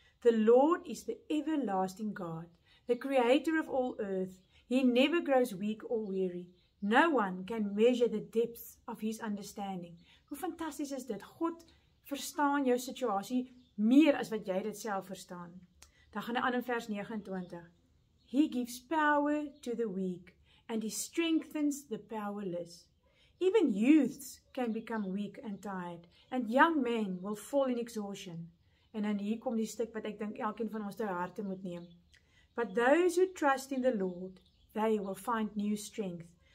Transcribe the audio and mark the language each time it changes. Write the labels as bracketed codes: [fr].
[en] The Lord is the everlasting God, the creator of all earth. He never grows weak or weary. No one can measure the depths of his understanding. [af] Hoe fantasties is dit? God verstaan jou situasie meer as wat jy dit self verstaan. Dan gaan hy aan in vers 29. [en] He gives power to the weak and he strengthens the powerless. Even youths can become weak and tired and young men will fall in exhaustion. [af] En dan hier kom die stuk wat ek dink elkeen van ons ter harte moet neem. [en] But those who trust in the Lord, they will find new strength.